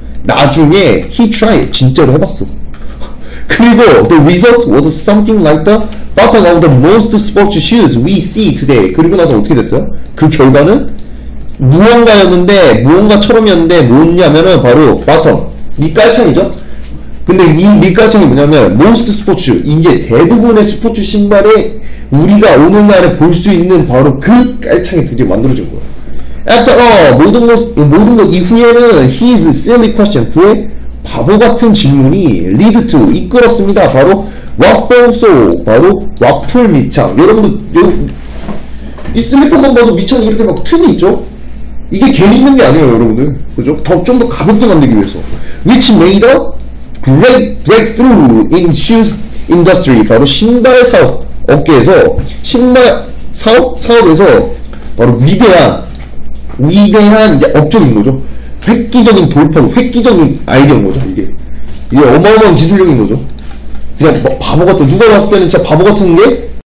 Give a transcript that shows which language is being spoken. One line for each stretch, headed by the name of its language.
Korean: 나중에
English: he tried
Korean: 진짜로 해봤어. 그리고
English: the result was something like the button of the most sports shoes we see today.
Korean: 그리고 나서 어떻게 됐어요? 그 결과는 무언가였는데 무언가처럼이었는데 뭐냐면은 바로 button 밑깔창이죠. 근데 이 밑깔창이 뭐냐면 most sports 이제 대부분의 스포츠 신발에 우리가 오늘날에 볼 수 있는 바로 그 깔창이 드디어 만들어진 거야.
English: After all,
Korean: 모든 것 이후에는
English: his silly question,
Korean: 그의 바보 같은 질문이
English: lead to,
Korean: 이끌었습니다. 바로 waffle sole, 바로 와플 밑창. 여러분들, 이 슬리퍼만 봐도 밑창이 이렇게 막 틈이 있죠? 이게 괜히 있는 게 아니에요, 여러분들. 그죠? 좀 더 가볍게 만들기 위해서.
English: Which made a great breakthrough in shoes industry,
Korean: 바로 신발 사업. 업계에서 신발 사업에서 바로 위대한 이제 업적인 거죠. 획기적인 돌파, 획기적인 아이디어인 거죠. 이게 어마어마한 기술력인 거죠. 그냥 바보 같은 누가 봤을 때는 진짜 바보 같은 게